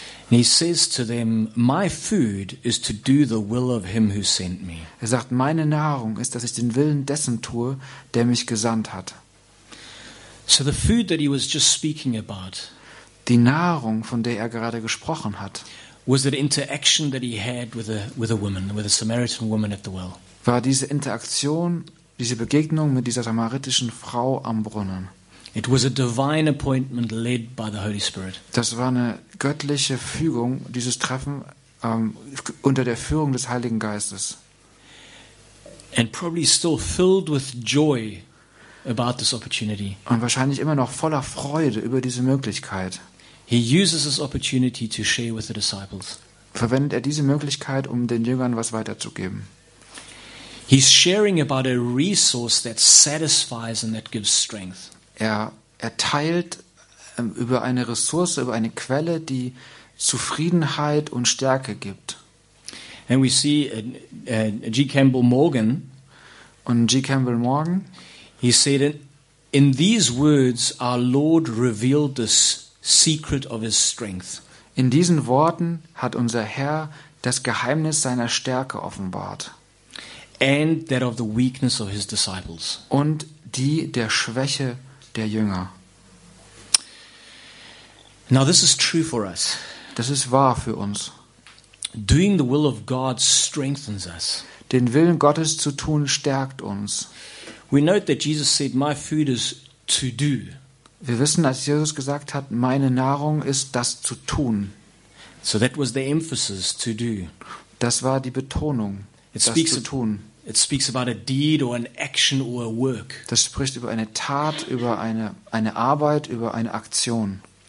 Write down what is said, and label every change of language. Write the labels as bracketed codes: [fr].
[en] And he says to them, my food is to do the will of him who sent me. [de] Er sagt, meine Nahrung ist, dass ich den Willen dessen tue, der mich gesandt hat. [en] So the food that he was just speaking about, [de] die Nahrung, von der er gerade gesprochen hat, [en] was the interaction that he had with a woman, with a Samaritan woman at the well. [de] War diese Interaktion, diese Begegnung mit dieser samaritischen Frau am Brunnen. [en] It was a divine appointment led by the Holy Spirit. [de] Das war eine göttliche Fügung, dieses Treffen unter der Führung des Heiligen Geistes. [en] And probably still filled with joy about this opportunity. [de] Und wahrscheinlich immer noch voller Freude über diese Möglichkeit. [en] He uses this opportunity to share with the disciples. [de] Verwendet er diese Möglichkeit, um den Jüngern was weiterzugeben. [en] He's sharing about a resource that satisfies and that gives strength. [de] Er teilt über eine Ressource, über eine Quelle, die Zufriedenheit und Stärke gibt. [en] And we see G. Campbell Morgan. [de] Und G. Campbell Morgan. [en] He said, in these words, our Lord revealed the secret of his strength. [de] In diesen Worten hat unser Herr das Geheimnis seiner Stärke offenbart. [en] And that of the weakness of his disciples. [de] Und die der Schwäche der Jünger. [en] Now this is true for us. [de] Das ist wahr für uns. [en] Doing the will of God strengthens us. [de] Den Willen Gottes zu tun stärkt uns. [en] We note that Jesus said, "My food is to do." [de] Wir wissen, als Jesus gesagt hat, meine Nahrung ist das zu tun. [en] So that was the emphasis, to do. [de] Das war die Betonung. [en] It speaks to tun. It speaks about a deed or an action or a work. [de] Das spricht über eine Tat, über eine Arbeit, über eine Aktion.